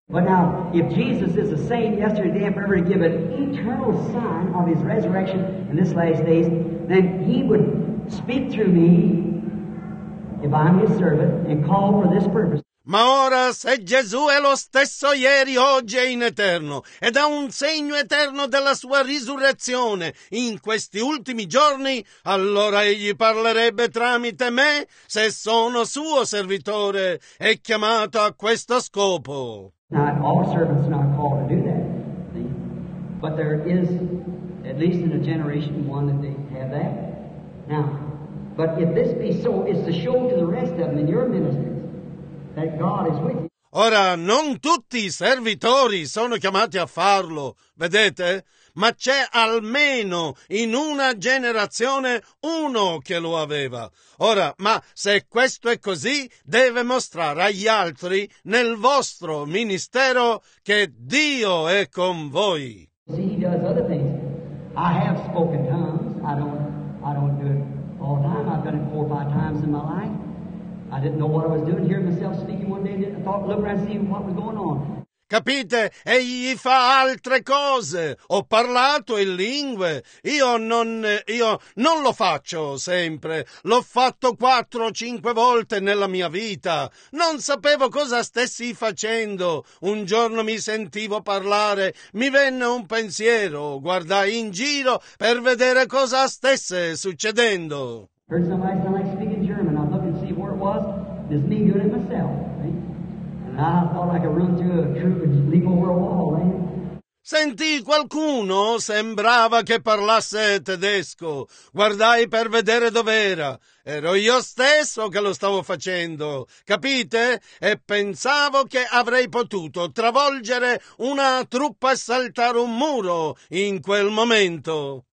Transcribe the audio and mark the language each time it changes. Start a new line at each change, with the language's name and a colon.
English: But now, if Jesus is the same yesterday and forever to give an eternal sign of his resurrection in this last days, then he would speak through me. If I'm his servant and called for this purpose.
Italian: Ma ora, se Gesù è lo stesso ieri, oggi e in eterno, ed ha un segno eterno della sua risurrezione in questi ultimi giorni, allora egli parlerebbe tramite me, se sono suo servitore e chiamato a questo scopo.
English: Not all servants are not called to do that, see? But there is, at least in a generation, one that they have that. Now, but if this be so, it's to show to the rest of them in your ministries that God is with you.
Italian: Ora, non tutti i servitori sono chiamati a farlo, vedete? Ma c'è almeno in una generazione uno che lo aveva. Ora, ma se questo è così, deve mostrare agli altri nel vostro ministero che Dio è con voi.
English: See, he does other things. I have spoken tongues. I don't do it. All time, I've done it 4 or 5 times in my life. I didn't know what I was doing, hearing myself speaking one day, and I thought, look around, see what was going on.
Italian: Capite? Egli fa altre cose. Ho parlato in lingue. Io non lo faccio sempre. L'ho fatto 4 o 5 volte nella mia vita. Non sapevo cosa stessi facendo. Un giorno mi sentivo parlare. Mi venne un pensiero. Guardai in giro per vedere cosa stesse succedendo.
English: Heard somebody sound like speaking German. I looked and see where it was. Just me doing it myself. I thought I could run through a troop and leap over a wall, man.
Italian: Sentì qualcuno, sembrava che parlasse tedesco. Guardai per vedere dov'era. Ero io stesso che lo stavo facendo, capite? E pensavo che avrei potuto travolgere una truppa e saltare un muro in quel momento.